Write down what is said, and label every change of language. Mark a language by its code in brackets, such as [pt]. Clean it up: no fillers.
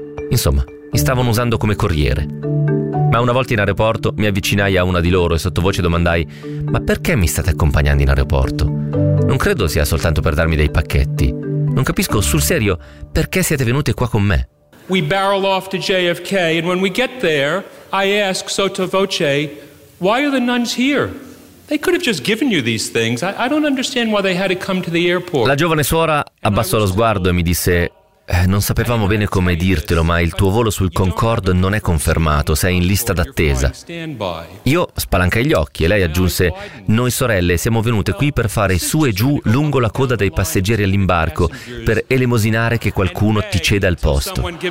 [it] Insomma, mi stavano usando come corriere. Ma una volta in aeroporto mi avvicinai a una di loro e sottovoce domandai: «Ma perché mi state accompagnando in aeroporto? Non credo sia soltanto per darmi dei pacchetti. Non capisco, sul serio, perché siete venute qua con me?» [en] We barrel off to JFK, and when we get there, I ask sotto voce, why are the nuns here? They could have just given you these things. I don't understand why they had to come to the airport. [it] La giovane suora abbassò lo sguardo e mi disse: non sapevamo bene come dirtelo, ma il tuo volo sul Concorde non è confermato, sei in lista d'attesa. Io spalancai gli occhi e lei aggiunse: noi sorelle siamo venute qui per fare su e giù lungo la coda dei passeggeri all'imbarco, per elemosinare che qualcuno ti ceda il posto.